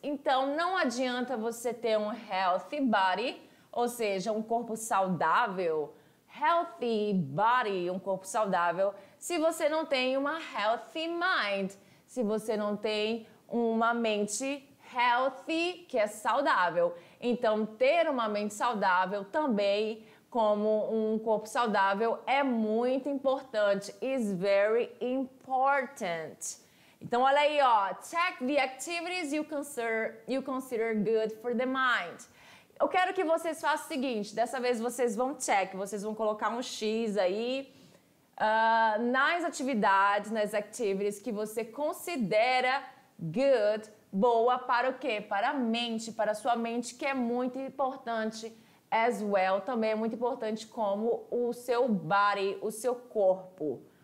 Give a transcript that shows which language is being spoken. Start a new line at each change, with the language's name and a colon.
Portuguese: Então, não adianta você ter um
English: healthy body,
Portuguese: ou seja, um corpo saudável, healthy body, um corpo saudável, se você não tem uma
English: healthy mind,
Portuguese: se você não tem uma mente
English: healthy,
Portuguese: que é saudável. Então, ter uma mente saudável também, como um corpo saudável, é muito importante.
English: Is very important.
Portuguese: Então, olha aí, ó.
English: Check the activities you consider good for the mind.
Portuguese: Eu quero que vocês façam o seguinte, dessa vez vocês vão
English: check,
Portuguese: vocês vão colocar um X aí nas atividades, nas
English: activities
Portuguese: que você considera
English: good,
Portuguese: boa para o quê? Para a mente, para a sua mente, que é muito importante
English: as well,
Portuguese: também é muito importante como o seu
English: body,
Portuguese: o seu corpo.